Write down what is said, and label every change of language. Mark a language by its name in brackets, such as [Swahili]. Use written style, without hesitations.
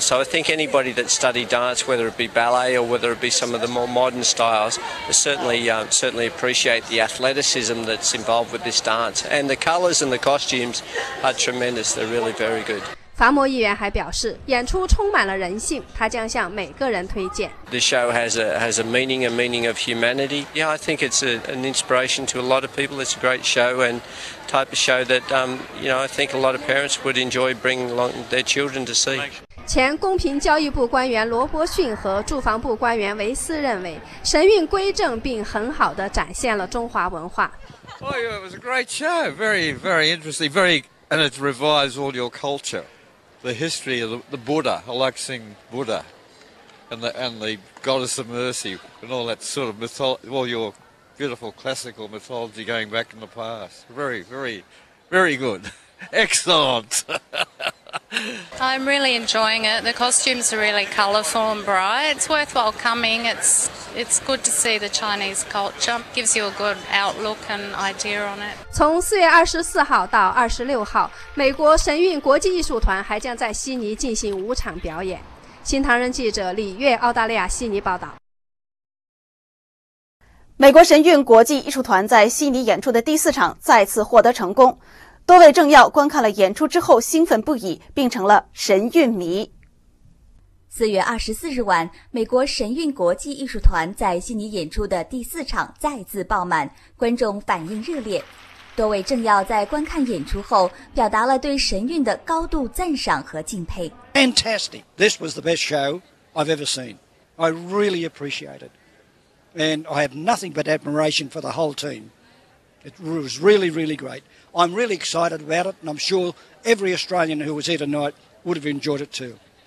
[English] So I think anybody that studied dance, whether it be ballet or whether it be some of the more modern styles, certainly appreciate the athleticism that's involved with this dance. And the colors and the costumes are tremendous. They're really very good. [Chinese] 法摩议员还表示，演出充满了人性，他将向每个人推荐。 [English] The show has a meaning, a meaning of humanity. Yeah, I think it's an inspiration to a lot of people. It's a great show and type of show that I think a lot of parents would enjoy bringing along their children to see. [Chinese] 前公平交易部官员罗伯逊和住房部官员维斯认为，神韵归正并很好地展现了中华文化。 [English] Oh, yeah, it was a great show. Very, very interesting. Very, and it revives all your culture. The history of the Buddha, like seeing Buddha, and the goddess of mercy, and all that sort of mythology, all your beautiful classical mythology going back in the past. Very, very, very good. Excellent. I'm really enjoying it. The costumes are really colourful and bright. It's worthwhile coming. It's good to see the Chinese culture. It gives you a good outlook and idea on it. [Chinese] 从4月24号到26号，美国神韵国际艺术团还将在悉尼进行五场表演。新唐人记者李月，澳大利亚悉尼报道。美国神韵国际艺术团在悉尼演出的第四场再次获得成功。多位政要观看了演出之后兴奋不已，并成了神韵迷。 4月24日晚，美国神韵国际艺术团在悉尼演出的第四场再次爆满，观众反应热烈。多位政要在观看演出后表达了对神韵的高度赞赏和敬佩。 [English] Fantastic! This was the best show I've ever seen. I really appreciate it. And I have nothing but admiration for the whole team. It was really, really great. I'm really excited about it, and I'm sure every Australian who was here tonight would have enjoyed it too.